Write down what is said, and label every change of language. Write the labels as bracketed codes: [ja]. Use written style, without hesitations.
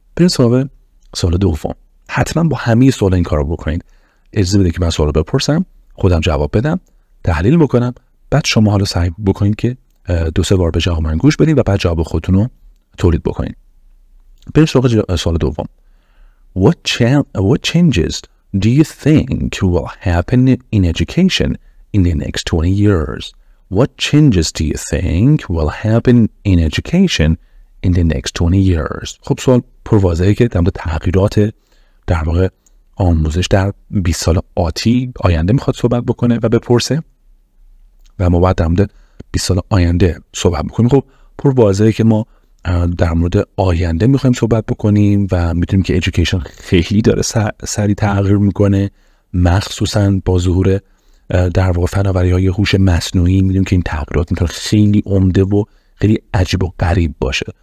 [fa] بریم سراغ سوال دوم. حتما با همه سوال این کار رو بکنید، اجازه بده که من سوال رو بپرسم، خودم جواب بدم، تحلیل بکنم، بعد شما حالا سعی بکنید که دو سه بار به جواب من گوش بدین و بعد جواب خودتون رو تولید بکنین. بریم سراغ سوال دوم. [en] What changes do you think will happen in education in the next 20 years? What changes do you think will happen in education in the next 20 years. [fa] خب سوال پرواضحه که در مورد تغییرات در واقع آموزش در 20 سال آتی آینده میخواد صحبت بکنه و بپرسه و ما بعد در مورد 20 سال آینده صحبت بکنیم. خب پرواضحه که ما در مورد آینده میخواییم صحبت بکنیم و میتونیم که ایژوکیشن خیلی داره سریع تغییر میکنه، مخصوصا با ظهور در واقع فناوری های هوش مصنوعی میدونیم که این تغییرات میتونه خیلی عمده و خیلی عجیب و غریب باشه.